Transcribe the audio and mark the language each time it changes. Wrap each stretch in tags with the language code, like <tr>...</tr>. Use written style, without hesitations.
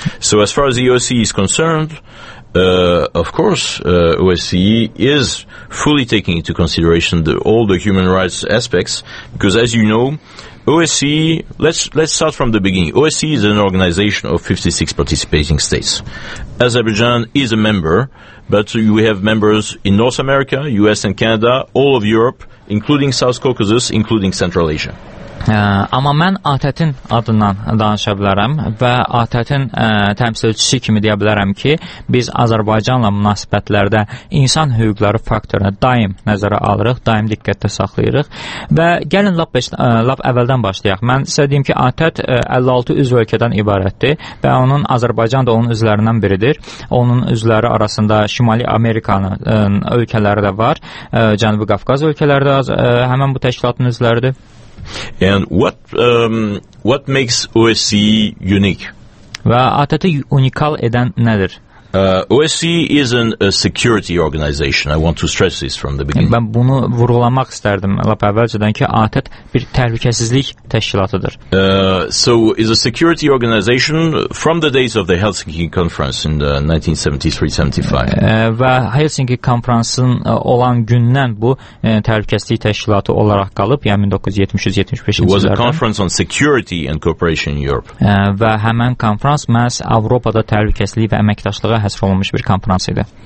<en>So as far as the OSCE is concerned, of course, OSCE is fully taking into consideration all the human rights aspects, because as you know, OSCE, let's start from the beginning. OSCE is an organization of 56 participating states. Azerbaijan is a member, but we have members in North America, US and Canada, all of Europe, including South Caucasus, including Central Asia.</en> <az>Amma mən ATƏT-in adından danışa bilərəm və ATƏT-in təmsilçisi kimi deyə bilərəm ki, biz Azərbaycanla münasibətlərdə insan hüquqları faktorunu daim nəzərə alırıq, daim diqqətdə saxlayırıq və gəlin lap əvvəldən başlayaq. Mən sizə deyim ki, ATƏT 56 üzv ölkədən ibarətdir və onun Azərbaycan da onun üzvlərindən biridir. Onun üzvləri arasında Şimali Amerikanın ölkələri də var, Cənubi Qafqaz ölkələri də həmin bu təşkilatın üzvləridir.</az> <en>And what makes OSCE unique?</en> <az>Və ATƏT-i unikal edən nədir?</az> <en>OSCE isn't a security organization. I want to stress this from the beginning.</en> <az>Mən bunu vurğulamaq istərdim lap əvvəlcədən ki, ATƏT bir təhlükəsizlik təşkilatıdır.</az> <en>So is a security organization from the days of the Helsinki Conference in the 1973-75.</en> <az>Və Helsinki Konfransının olan gündən bu təhlükəsizlik təşkilatı olaraq qalıb, yəni 1973-75-ci illərdə.</az> <en>It was a conference on security and cooperation in Europe.</en> <az>Və həmin konfrans məhz Avropada təhlükəsizlik və əməkdaşlıq həsr olunmuş bir konferans idi.</az>